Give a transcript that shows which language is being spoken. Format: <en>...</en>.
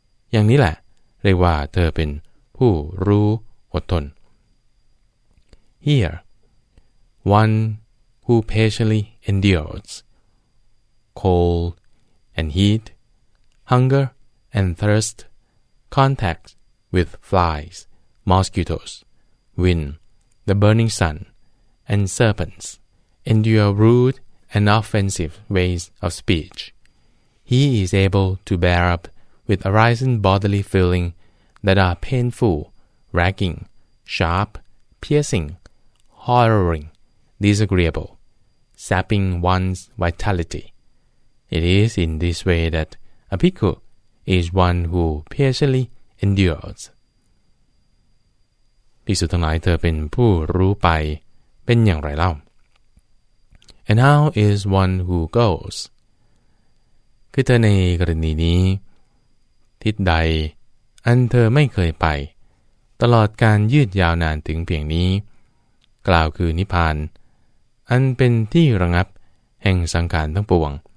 <th>อย่างนี้แหละเรียกว่าเธอเป็นผู้รู้อดทน</th> <en>Here, one who patiently endures cold and heat, hunger and thirst, contact with flies, mosquitoes, wind, the burning sun, and serpents, endure rude and offensive ways of speech. He is able to bear up with arisen bodily feeling that are painful, ragging, sharp, piercing, horroring, disagreeable, sapping one's vitality. It is in this way that a bhikkhu is one who patiently endures.</en> <th>ภิกษุทั้งหลายเธอเป็นผู้รู้ไปเป็นอย่างไรเล่า</th> <en>And how is one who goes?</en> <th>คือเธอในกรณีนี้ทิศใดอันเธอไม่เคยไปตลอดการยืดยาวนานถึงเพียงนี้กล่าวคือนิพพานอันเป็นที่ระงับแห่งสังขารทั้งปวง</th>